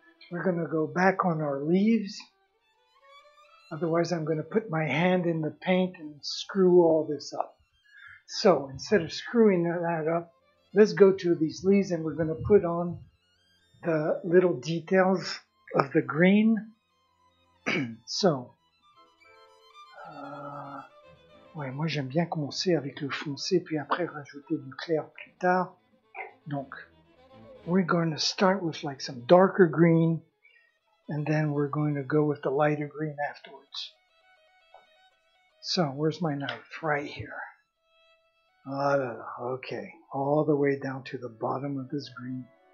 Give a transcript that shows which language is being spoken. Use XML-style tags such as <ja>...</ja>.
<en>We're going to go back on our leaves. Otherwise, I'm going to put my hand in the paint and screw all this up. So, instead of screwing that up, let's go to these leaves and we're going to put on the little details of the green. So...</en> <fr>ouais, moi j'aime bien commencer avec le foncé, puis après rajouter du clair plus tard. Donc,</fr> <en>we're going to start with like some darker green, and then we're going to go with the lighter green afterwards. So, where's my knife? Right here. Ah, okay, all the way down to the bottom of this green.</en>